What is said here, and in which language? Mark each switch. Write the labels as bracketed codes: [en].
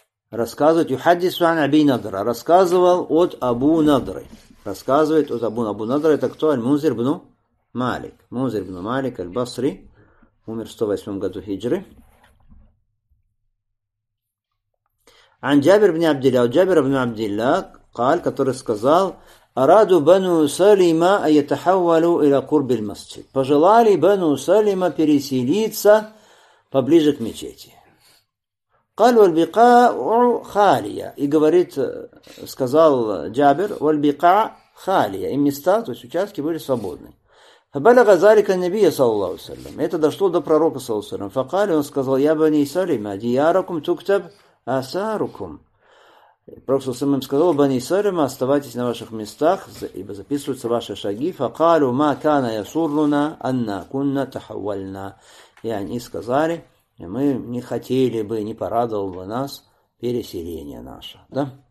[ru] Рассказывает [ar] юхаддису ан Аби Надра. [ru] Рассказывал от Абу Надры. Рассказывает от Абу Надры. Абу Надра это кто? Аль-Мунзир бну Малик. Мунзир бну Малик аль-Басри умер в 108 году хиджры. [ar] عن جابر بن عبد الله وجابر بن عبد الله قال [ru] который сказал [ar] أرادوا بنو سلمة أن يتحولوا إلى قرب المسجد. [ru] Пожелали بنو سلمة переселиться поближе к мечети. [ar] قال والبقاع خالية. [ru] И говорит, сказал [ar] جابر, والبقاع خالية. [ru] И места, то есть участки были свободны. [ar] فبلغ ذلك النبي صلى الله عليه وسلم. [ru] Это дошло до пророка [ar] صلى الله عليه وسلم. فقال, [ru] он сказал: [ar] يا بني سلمة دياركم تكتب Асаруком. [ru] Пророк сам им сказал: бани Салима, оставайтесь на ваших местах, ибо записываются ваши шаги. [ar] Факалу ма кана ясурруна анна кунна тахавальна. [ru] И они сказали: мы не хотели бы, не порадовало бы нас переселение наше. Да?